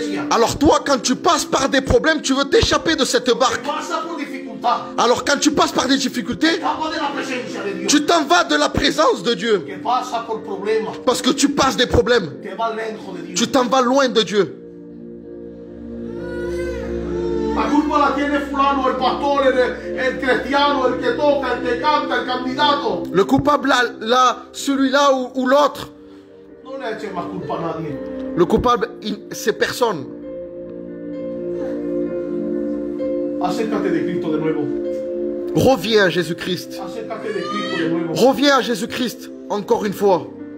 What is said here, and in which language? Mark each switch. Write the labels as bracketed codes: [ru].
[fr] Alors toi, quand tu passes par des problèmes, tu veux t'échapper de cette barque. Alors quand tu passes par des difficultés, tu t'en vas de la présence de Dieu. Parce que tu passes des problèmes. Tu t'en vas loin de Dieu. [es] La culpa la tiene fulano, el pastor, el cristiano, el que toca, el que canta, el candidato. [fr] Le coupable là, celui-là ou l'autre. [es] No le eche más culpa a nadie. [fr] Le coupable, c'est personne. [es] Acércate de Cristo de nuevo. [fr] Reviens à Jésus-Christ. [es] Acércate de Cristo de nuevo. [fr] Reviens à Jésus-Christ encore une fois.